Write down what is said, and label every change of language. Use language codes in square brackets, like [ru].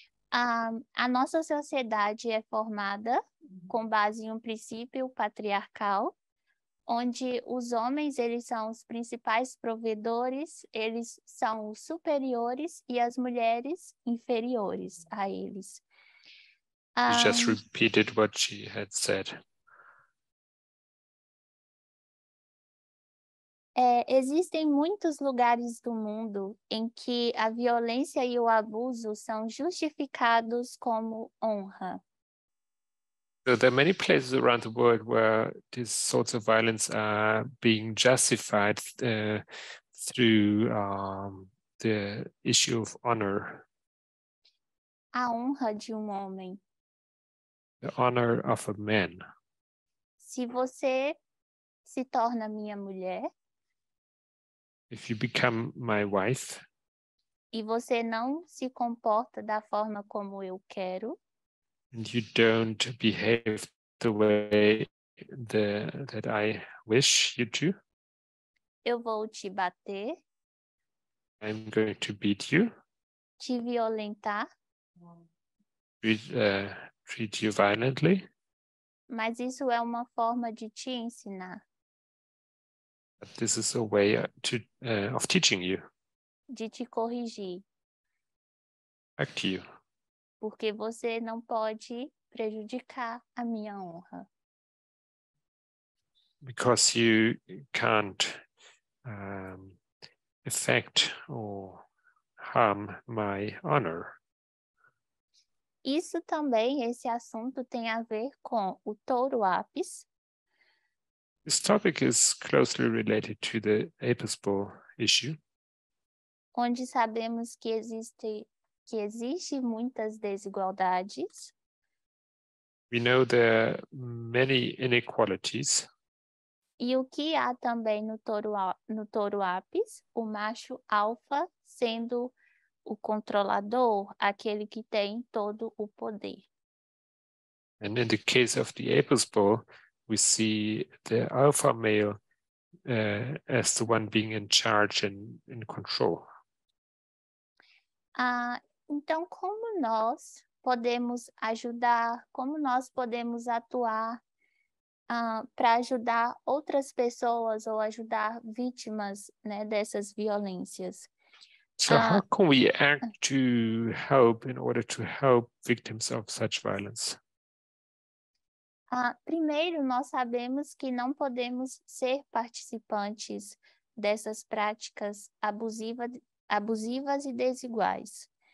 [pt] A nossa sociedade é formada com base em um princípio patriarcal, onde os homens, eles são os principais provedores, eles são os superiores e as mulheres inferiores a eles. [en] You just repeated what she had said. [pt] Existem muitos lugares do mundo em que a violência e o abuso são justificados como honra. [en] So there are many places around the world where these sorts of violence are being justified through the issue of honor. [pt] A honra de homem. [en] The honor of a man. [pt] Se você se torna minha mulher. [en] If you become my wife. [pt] E você não se comporta da forma como eu quero. [en] And you don't behave the way that I wish you to. [pt] Eu vou te bater. [en] I'm going to beat you. [pt] Te violentar. [en] Treat you violently. [pt] Mas isso é uma forma de te ensinar. [en] But this is a way of teaching you. [pt] De te corrigir. [en] Back to you. [pt] Porque você não pode prejudicar a minha honra. [en] Because you can't affect or harm my honor. [pt] Isso também, esse assunto tem a ver com o touro apis. [en] This topic is closely related to the apis bull issue. [pt] Onde sabemos que existe muitas desigualdades. [en] We know there are many inequalities. [pt] E o que há também no touro apis, o macho alfa sendo o controlador, aquele que tem todo o poder. [en] And in the case of the apis bull, we see the alpha male as the one being in charge and in control. [pt] Então, como nós podemos ajudar, como nós podemos atuar para ajudar outras pessoas ou ajudar vítimas, né, dessas violências? [en] So how can we act to help in order to help victims of such violence? [pt] Primeiro, nós sabemos que não podemos ser participantes dessas práticas abusivas e desiguais.